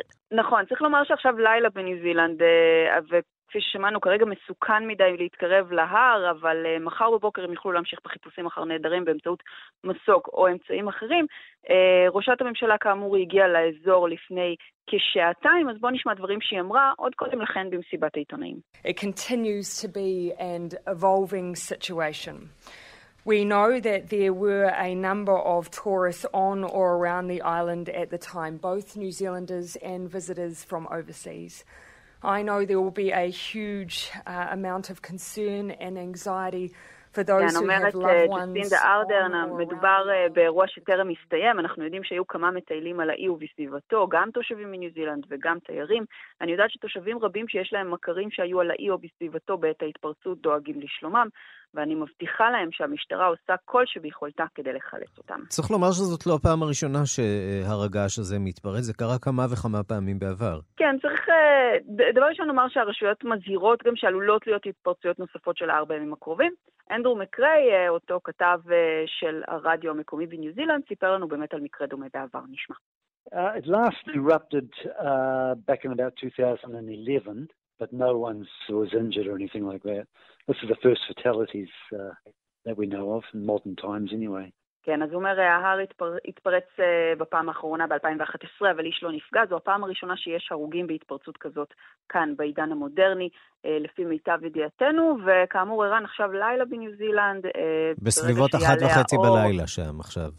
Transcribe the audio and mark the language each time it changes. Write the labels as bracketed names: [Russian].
[Hebrew] נכון, צריך לומר שעכשיו לילה בניו זילנד, כפי ששמענו, כרגע מסוכן מדי להתקרב להר, אבל מחר בבוקר הם יוכלו להמשיך בחיפושים אחר נהדרים באמצעות מסוק או אמצעים אחרים. ראשת הממשלה כאמור הגיעה לאזור לפני כשעתיים, אז בואו נשמע דברים שהיא אמרה עוד קודם לכן במסיבת העיתונאים. [English] It continues to be an evolving situation. We know that there were a number of tourists on or around the island at the time, both New Zealanders and visitors from overseas. I know there will be a huge amount of concern and anxiety for those who have loved ones. [Hebrew] כן, אומרת ג'סינדה ארדרן, מדובר באירוע שטרם הסתיים, אנחנו יודעים שהיו כמה מטיילים על האי ובסביבתו, גם תושבים מניו זילנד וגם תיירים. אני יודעת שתושבים רבים שיש להם מכרים שהיו על האי או בסביבתו בעת ההתפרצות דואגים לשלומם, ואני מבטיחה להם שהמשטרה עושה כל שביכולתה כדי לחלץ אותם. צריך לומר שזאת לא הפעם הראשונה שהרגש הזה מתפרץ, זה קרה כמה וכמה פעמים בעבר. כן, צריך, דבר ראשון אומר שהרשויות מזהירות גם שעלולות להיות התפרצויות נוספות של הארבע ימים הקרובים. אנדרו מקרי, אותו כתב של הרדיו המקומי בניו זילנד, סיפר לנו באמת על מקרה דומה בעבר, נשמע. [English] It last erupted back in about 2011, but no one was injured or anything like that. This is the first fatalities that we know of in modern times anyway. [Hebrew] כן, אז הוא אומר, ההר התפרץ בפעם האחרונה ב-2011, אבל איש לא נפגע. זו הפעם הראשונה שיש הרוגים בהתפרצות כזאת כאן בעידן המודרני, לפי מיטב ידיעתנו, וכאמור, ערן, עכשיו לילה בניו זילנד. בסביבות 1:30 בלילה שם עכשיו.